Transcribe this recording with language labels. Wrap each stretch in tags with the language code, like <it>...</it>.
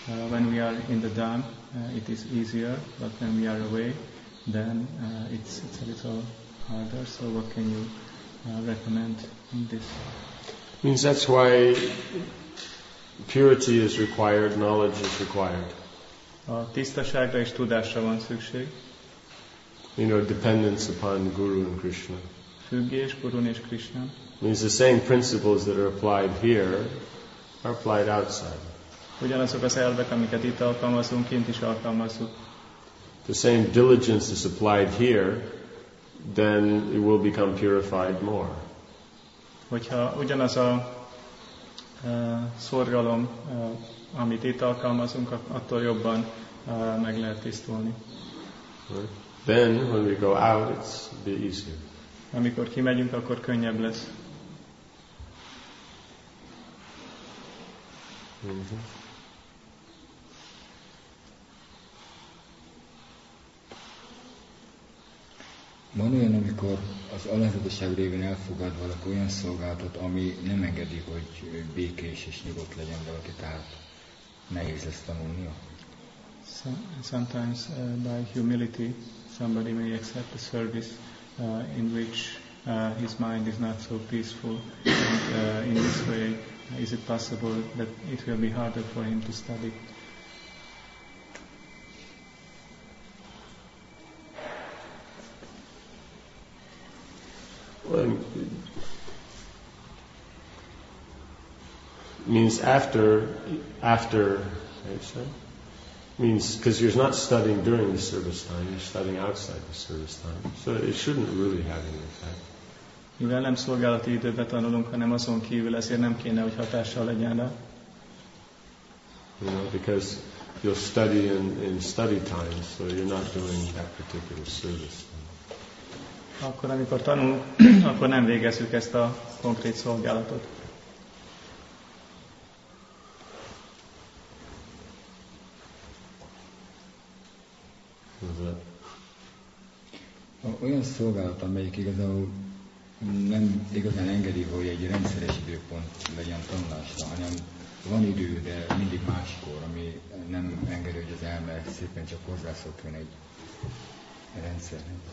<en>When we are in the dam, it is easier, but when we are away, then it's a little harder. So what can you recommend in this? Means that's why purity is required, knowledge is required.</en> <hu>A tisztaságra és tudásra van szükség.</hu> <en>You know, dependence upon Guru and Krishna.</en> <hu>Függés Gurun és Krishna.</hu> <en>Means the same principles that are applied here are applied outside.</en> <hu>Ugyanazok az elvek, amiket itt alkalmazunk, kint is alkalmazunk.</hu> <en>The same diligence is applied here, then it will become purified more.</en> <hu>Hogyha ugyanaz a szorgalom, amit itt alkalmazunk, attól jobban meg lehet tisztulni.</hu> <en>Then when we go out, it's be easier.</en> <hu>Amikor kimegyünk, akkor könnyebb lesz. Van olyan, amikor az alázatosság révén elfogad valaki olyan szolgálatot, ami nem engedi, hogy békés és nyugodt legyen valaki, tehát nehéz lesz tanulnia?</hu> <en>Sometimes by humility somebody may accept a service in which his mind is not so peaceful, and in this way is it possible that it will be harder for him to study? Means after, means because you're not studying during the service time, you're studying outside the service time, so it shouldn't really have any effect.</en> <hu>Mivel nem szolgálati időben tanulunk, hanem azon kívül, ezért nem kéne, hogy hatással legyen rá.</hu> <en>You know, because you'll study in study time, so you're not doing that particular service.</en> <hu>Akkor, amikor tanulunk, akkor nem végezzük ezt a konkrét szolgálatot. Olyan szolgálat, amelyik igazából nem igazán engedi, hogy egy rendszeres időpont legyen tanulásra, hanem van idő, de mindig máskor, ami nem engedi, hogy az elme szépen csak hozzászokjon egy rendszerhez.</hu>